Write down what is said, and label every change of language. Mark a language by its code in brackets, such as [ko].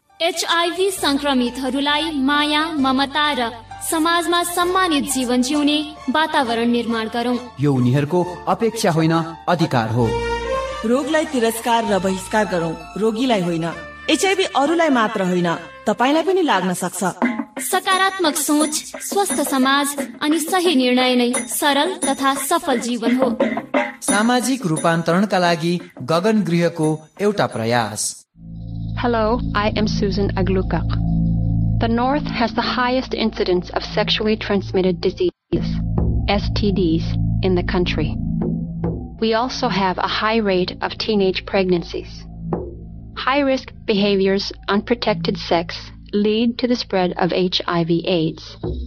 [ne] HIV संक्रमित हरुलाई माया ममता र समाजमा सम्मानित जीवन जिउने वातावरण निर्माण गरौं। यो उनीहरूको अपेक्षा होइन अधिकार हो। रोगलाई तिरस्कार र बहिष्कार गरौं, रोगीलाई होइन। एचआईभी अरूलाई मात्र होइन तपाईँलाई पनि लाग्न सक्छ। सकारात्मक सोच, स्वस्थ समाज अनि सही निर्णय नै सरल तथा सफल जीवन हो। सामाजिक रूपान्तरणका लागि गगन गृहको एउटा प्रयास। [en] Hello, I am Susan Aglukkaq. The North has the highest incidence of sexually transmitted diseases, STDs, in the country. We also have a high rate of teenage pregnancies. High-risk behaviors, unprotected sex, lead to the spread of HIV/AIDS.